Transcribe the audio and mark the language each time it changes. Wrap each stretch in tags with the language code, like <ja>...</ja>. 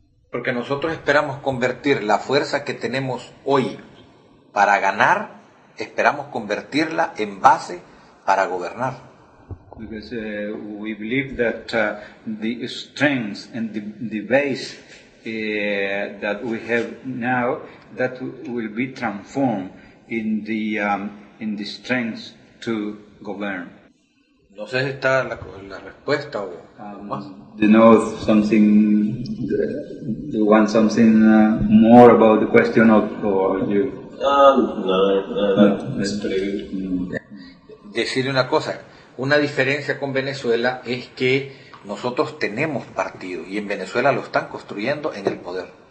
<es>Porque nosotros esperamos convertir la fuerza que tenemos hoy para ganar, esperamos convertirla en base para gobernar.</es> <en>Because we believe that the strength and the base that we have now, that will be transformed in the strength to govern.</en> <es>No sé si está la respuesta o más.</es> <en>Do you know something, do you want something more about the question or you? No, it's pretty good.</en> <es>Decirle una cosa, una diferencia con Venezuela es que nosotros tenemos partidos y en Venezuela lo están construyendo en el poder.</es>